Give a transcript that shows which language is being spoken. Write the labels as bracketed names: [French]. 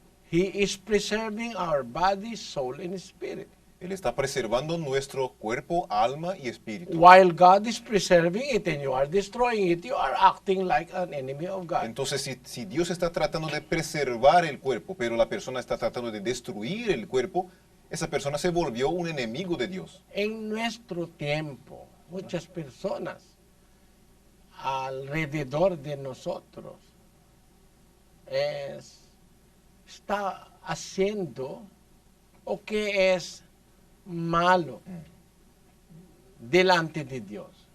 [English] He is preserving our body, soul, and spirit. [Spanish] Él está preservando nuestro cuerpo, alma y espíritu. [English] While God is preserving it and you are destroying it, you are acting like an enemy of God. [Spanish] Entonces, si Dios está tratando de preservar el cuerpo, pero la persona está tratando de destruir el cuerpo, esa persona se volvió un enemigo de Dios. En nuestro tiempo, muchas personas alrededor de nosotros está haciendo o que es malo delante de Dios.